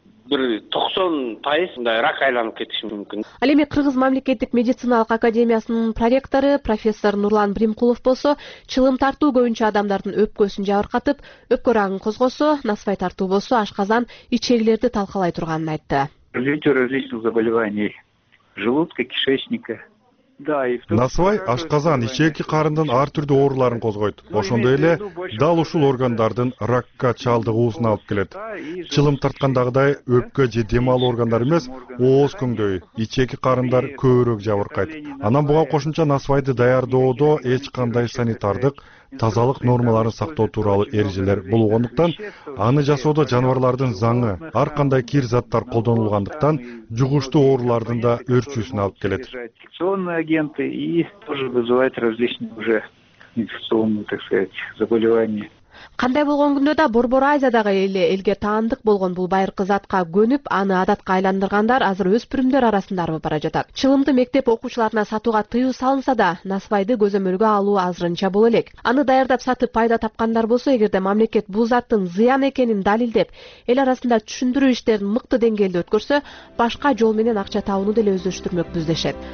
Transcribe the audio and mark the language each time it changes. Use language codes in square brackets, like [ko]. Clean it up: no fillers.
[ky] бир 90% мындай рак айланып кетиши мүмкүн. Ал эми Кыргыз мамлекеттик медициналык академиясынын проректору профессор Нурлан Бримкулов болсо, чылым тартуу көбүнчө адамдардын өпкөсүн жабыркатып, өпкө рагын козгосо, насвай тартуу болсо, ашказан, ичегилерди талкалай турганын айтты. [ru] Различные заболевания желудка, кишечника. [ky] Насвай ашказан, ичеки карындын ар түрдүү ооруларын козгойт. Ошондой эле дал ушул органдардын ракка чалдыгуусуна алып келет. Чылым тарткандагыдай өпкө же дем алуу органдары эмес, ооз көңдөй, ичеки карындар көбүрөөк жабыркайт. Анан буга кошумча насвайды даярдоодо эч кандай санитардык тазалык нормаларын сактоо тууралуу эрежелер болгондуктан, аны жасоодо жаныбарлардын заңы, ар кандай кир заттар колдонулгандыктан жугуштуу оорулардын да өрчүүсүнө алып келет. [ru] Инфекционные агенты и тоже вызывают различные уже инфекционные, так сказать, заболевания. [ky] Кандай болгон күндө да Борбор Азиядагы эле элге таандык болгон бул байыркы затка көнүп, аны адатка айландыргандар азыр өспүрүмдөр арасында арбып бара жатат. Чылымды мектеп окуучуларына сатууга тыюу салынса да, насвайды көзөмөлгө алуу азырынча боло элек. Аны даярдап сатып пайда тапкандар болсо, эгерде мамлекет бул заттын зыян экенин далилдеп, эл арасында түшүндүрүү иштерин мыкты деңгээлде өткөрсө, башка жол менен акча табууну деле өздөштүрмөкпүз дешет.